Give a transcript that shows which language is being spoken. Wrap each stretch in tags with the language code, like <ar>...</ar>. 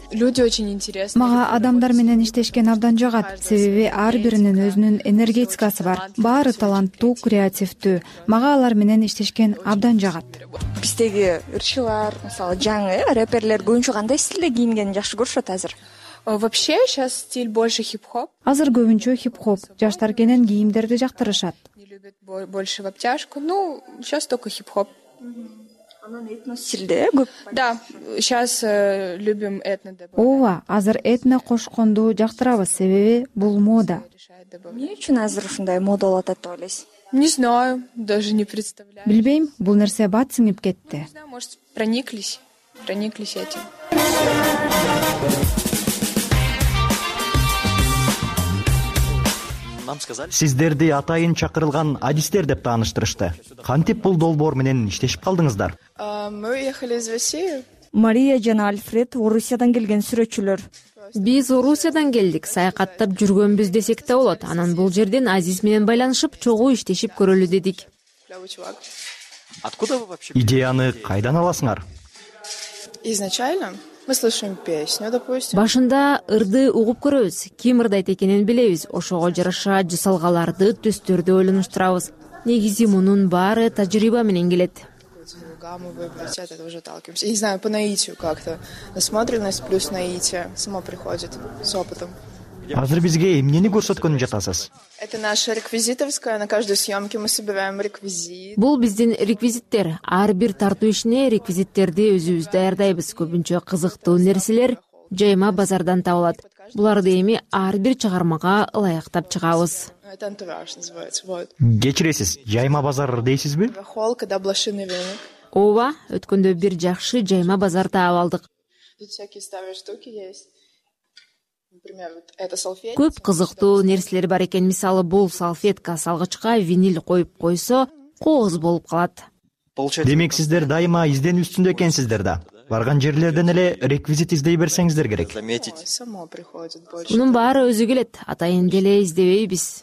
<ru>Люди очень интересные.</ru> <ky>Мага адамдар менен иштешкен абдан жагат. Себеби ар биринин өзүнүн энергетикасы бар. Баары таланттуу, креативдүү. Мага алар менен иштешкен абдан жагат. Биздеги ырчылар, мисалы жаңы рэперлер көбүнчө кандай стилде кийингенин жакшы көрүшөт азыр?</ky> <ru>Вообще сейчас стиль больше хип-хоп.</ru> <ky>Азыр көбүнчө хип-хоп. Жаштар кенен кийимдерди жактырышат.</ky> <ru>Не любят больше в обтяжку. Ну, сейчас только хип-хоп.</ru> <ky>Анан этно стилде көп.</ky> <ru>Да, сейчас любим этно добавлять.</ru> <ky>Ооба, азыр этно кошконду жактырабыз, себеби бул мода. Эмне үчүн азыр ушундай мода болуп атат деп ойлойсуз?</ky> <ru>Не знаю, даже не представляю.</ru> <ky>Билбейм, бул нерсе бат сиңип кетти.</ky> <ru>Не знаю, может, прониклись этим.</ru> <ky>Сиздерди атайын чакырылган адистер деп тааныштырышты. Кантип бул долбоор менен иштешип калдыңыздар?</ky> <ru>Мы уехали из России.</ru> <ky>Мария жана Альфред Орусиядан келген сүрөтчүлөр. Биз Орусиядан келдик, саякаттап жүргөнбүз десек да болот. Анан бул жерден Азиз менен байланышып, чогуу иштешип көрөлү дедик.</ky> <ru>Откуда вы вообще?</ru> <ky>Идеяны кайдан аласыңар?</ky> <ru>Изначально мы слышим песню, допустим.</ru> <ky>Башында ырды угуп көрөбүз. Ким ырдайт экенин билебиз. Ошого жараша жасалгаларды, түстөрдү ойлонуштурабыз. Негизи мунун баары тажрыйба менен келет.</ky> <ru>Гамму выбрать, от этого уже отталкиваемся. Я не знаю, по наитию как-то. Насмотренность плюс наитие само приходит с опытом.</ru> <ky>Азыр бизге эмнени көрсөткөнү жатасыз?</ky> <ru>Это наша реквизитовская. На каждой съемке мы собираем реквизит.</ru> <ky>Бул биздин реквизиттер. Ар бир тартуу ишине реквизиттерди өзүбүз даярдайбыз. Көбүнчө кызыктуу нерселер жайма базардан табылат. Буларды эми ар бир чыгармага ылайыктап чыгабыз.</ky> <ru>Это антураж называется. Вот.</ru> <ky>Кечиресиз, жайма базар дейсизби?</ky> <ru>Холка да блошиный рынок.</ru> <ky>Ооба, өткөндө бир жакшы жайма базар таап алдык.</ky> <ru>Тут всякие старые штуки есть. Например, это салфетка.</ru> <ky>Көп кызыктуу нерселер бар экен. Мисалы, бул салфетка салгычка винил коюп койсо, кооз болуп калат. Демек, сиздер дайыма изденүү үстүндө экенсиздер да. Барган жерлерден эле реквизит издей берсеңиздер керек. Мунун баары өзү келет. Атайын деле издебейбиз.</ky>